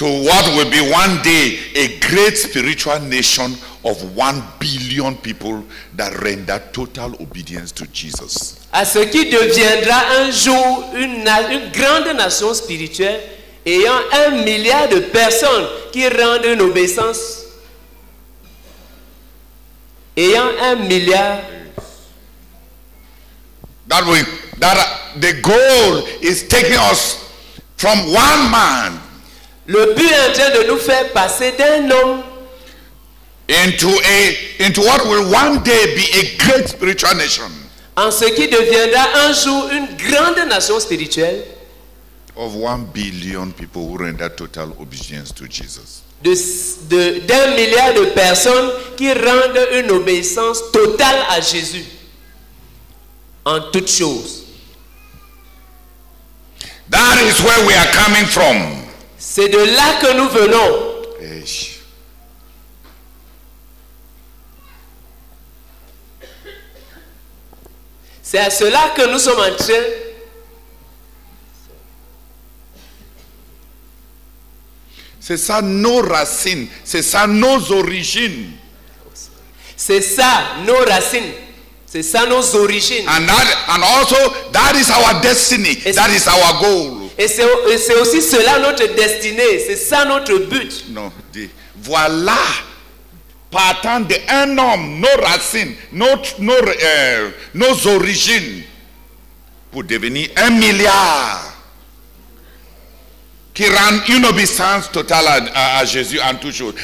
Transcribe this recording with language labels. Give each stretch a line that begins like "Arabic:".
English: to what will be one day a great spiritual nation of 1 billion people that render total obedience to Jesus.
French: À ce qui deviendra un jour une grande nation spirituelle ayant 1 milliard de personnes qui rendent une obéissance. Ayant 1 milliard.
English: The goal is taking us from one man.
French: Le but est en train de nous faire passer d'un homme
English: into what will one day be a great spiritual nation.
French: En ce qui deviendra un jour une grande nation spirituelle.
English: Of 1 billion people who render total obedience to Jesus.
French: D'un milliard de personnes qui rendent une obéissance totale à Jésus en toutes choses.
English: That is where we are coming from.
French: C'est de là que nous venons. Eish. C'est à cela que nous sommes en train. C'est ça nos racines, c'est ça nos origines. C'est ça nos racines, c'est ça nos origines.
English: And also that is our destiny, that is our goal.
French: Et c'est aussi cela notre destinée, c'est ça notre but. Non, voilà, partant d'un homme, nos racines, nos origines, pour devenir 1 milliard. Qui rend une obéissance totale à Jésus en toutes choses.